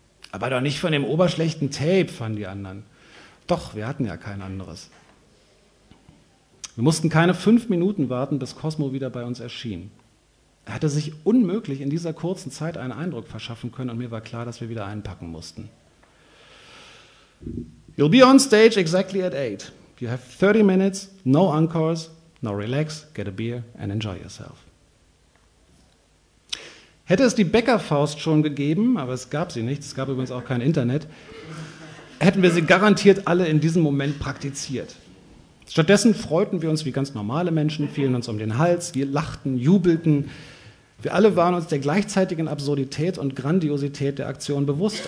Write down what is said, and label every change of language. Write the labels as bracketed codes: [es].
[de] Aber doch nicht von dem oberschlechten Tape, fanden die anderen. Doch, wir hatten ja kein anderes. Wir mussten keine 5 Minuten warten, bis Cosmo wieder bei uns erschien. Er hatte sich unmöglich in dieser kurzen Zeit einen Eindruck verschaffen können und mir war klar, dass wir wieder einpacken mussten. [en] You'll be on stage exactly at 8. You have 30 minutes, no encores, no relax, get a beer and enjoy yourself. [de] Hätte es die Bäckerfaust schon gegeben, aber es gab sie nicht, es gab übrigens auch kein Internet, hätten wir sie garantiert alle in diesem Moment praktiziert. Stattdessen freuten wir uns wie ganz normale Menschen, fielen uns um den Hals, wir lachten, jubelten. Wir alle waren uns der gleichzeitigen Absurdität und Grandiosität der Aktion bewusst.